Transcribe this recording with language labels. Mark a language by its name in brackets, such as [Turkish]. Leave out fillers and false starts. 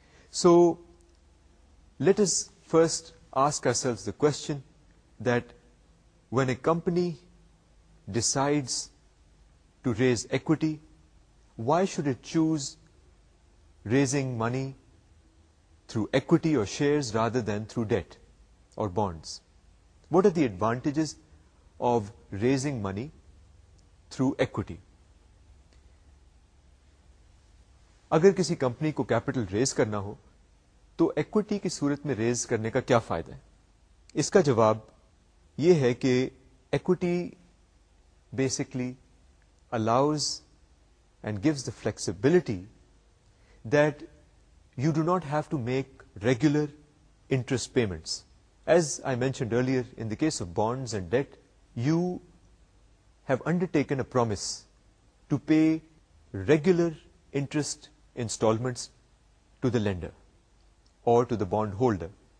[English] So let us first ask ourselves the question that when a company decides to raise equity, why should it choose raising money through equity or shares rather than through debt or bonds? What are the advantages of raising money through equity? [Urdu] اگر کسی company کو capital raise کرنا ہو تو equity کی صورت میں raise کرنے کا کیا فائدہ ہے؟ اس کا جواب یہ ہے کہ equity [English] Basically allows and gives the flexibility that you do not have to make regular interest payments. As I mentioned earlier, in the case of bonds and debt, you have undertaken a promise to pay regular interest installments to the lender or to the bond holder.